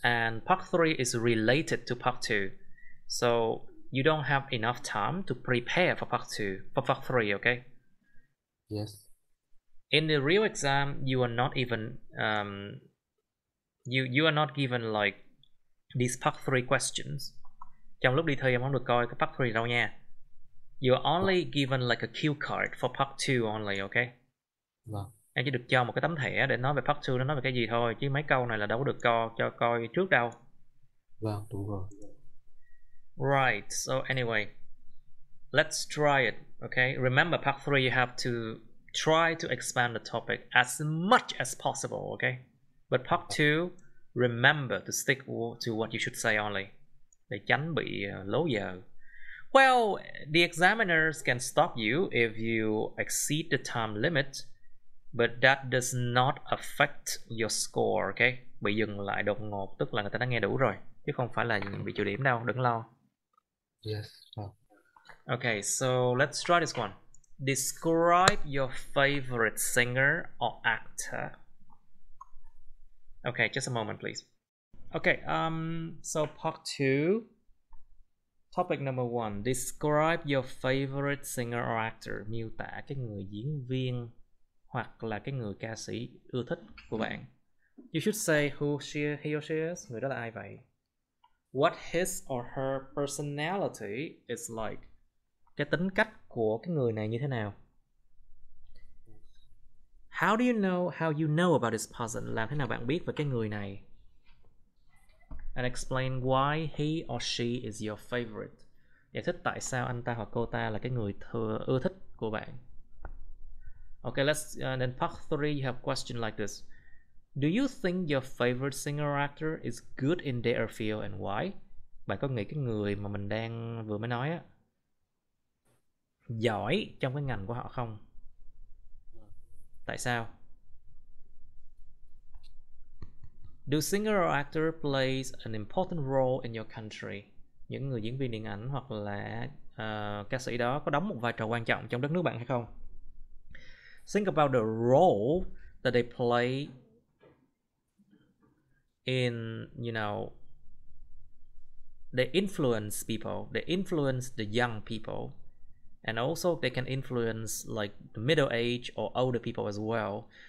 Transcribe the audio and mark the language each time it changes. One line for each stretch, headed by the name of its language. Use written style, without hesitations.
English: And part 3 is related to part 2. So you don't have enough time to prepare for part 2, for part 3, okay? Yes. In the real exam, you are not even You are not given like these part 3 questions.
Vietnamese: Trong lúc đi thi em không được coi cái part 3 đâu nha.
English: You are only given like a cue card for part 2 only, okay?
Vietnamese: Vâng. Em chỉ được cho một cái tấm thẻ để nói về part 2 nó nói về cái gì thôi, chứ mấy câu này là đâu có được coi trước đâu. Vâng, đúng rồi.
English: Right, so anyway, let's try it, okay? Remember part 3 you have to try to expand the topic as much as possible, okay? But part 2, remember to stick to what you should say only.
Vietnamese: Để tránh bị lố giờ.
English: Well, the examiners can stop you if you exceed the time limit, but that does not affect your score, okay?
Vietnamese: Bị dừng lại đột ngột tức là người ta đã nghe đủ rồi, chứ không phải là bị trừ điểm đâu, đừng lo.
English: Yes. Okay, so let's try this one. Describe your favorite singer or actor. Okay, just a moment, please. Okay, so part 2. Topic number 1. Describe your favorite singer or actor.
Vietnamese: Miêu tả cái người diễn viên hoặc là cái người ca sĩ ưa thích của bạn.
English: You should say who he or she is.
Vietnamese: Người đó là ai vậy?
English: What his or her personality is like.
Vietnamese: Cái tính cách của cái người này như thế nào?
English: How do you know about this person?
Vietnamese: Làm thế nào bạn biết về cái người này?
English: And explain why he or she is your favorite.
Vietnamese: Giải thích tại sao anh ta hoặc cô ta là cái người ưa thích của bạn.
English: Okay, let's then part 3 you have question like this. Do you think your favorite singer or actor is good in their field and why?
Vietnamese: Bạn có nghĩ cái người mà mình đang vừa mới nói á giỏi trong cái ngành của họ không? Tại sao?
English: Do singer or actor plays an important role in your country?
Vietnamese: Những người diễn viên điện ảnh hoặc là ca sĩ đó có đóng một vai trò quan trọng trong đất nước bạn hay không?
English: Think about the role that they play in, you know, they influence people, they influence the young people. And also they can influence like the middle age or older people as well.